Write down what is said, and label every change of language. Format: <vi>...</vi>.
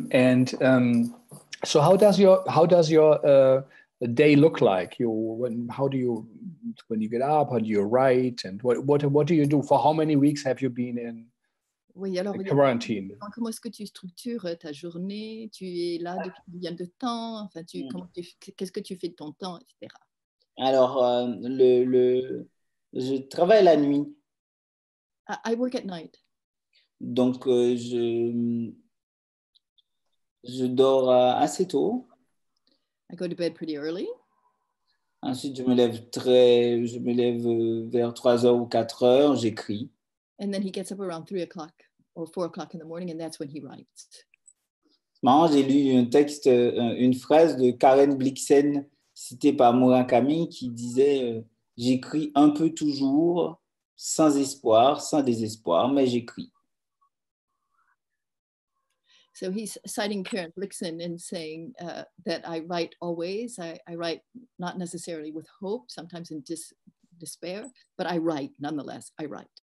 <en>And so how does your day look like? When you get up, how do you write, and what do you do? For how many weeks have you been in?</en> <fr>Oui, alors,</fr> <en>quarantine.</en> <fr>Comment est-ce que tu structures ta journée? Tu es là depuis combien de temps? Enfin, qu'est-ce que tu fais de ton temps, etc. Alors, je travaille la nuit.</fr> <en>I work at night.</en> <fr>Donc, je dors assez tôt.</fr> <en>I go to bed pretty early.</en> <fr>Ensuite, je me lève vers 3 heures ou 4 heures, j'écris.</fr> <en>And then he gets up around 3 o'clock or 4 o'clock in the morning, and that's when he writes.</en> <fr>Marrant, j'ai lu un texte, une phrase de Karen Blixen, citée par Murakami, qui disait « J'écris un peu toujours, sans espoir, sans désespoir, mais j'écris. »</fr> <en>So he's citing Karen Blixen and saying that I write always. I write not necessarily with hope, sometimes in despair, but I write nonetheless, I write.</en>